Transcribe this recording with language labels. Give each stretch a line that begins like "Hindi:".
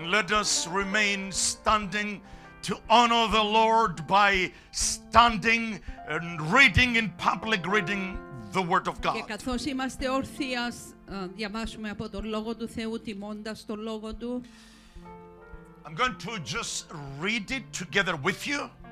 English: us remain standing to honor the Lord by standing and reading in public reading the Word of God.
Greek: Και καθώς είμαστε όρθιοι ας διαβάσουμε από τον Λόγο του Θεού τιμώντας τον Λόγο του.
English: I'm going to just read it together with you.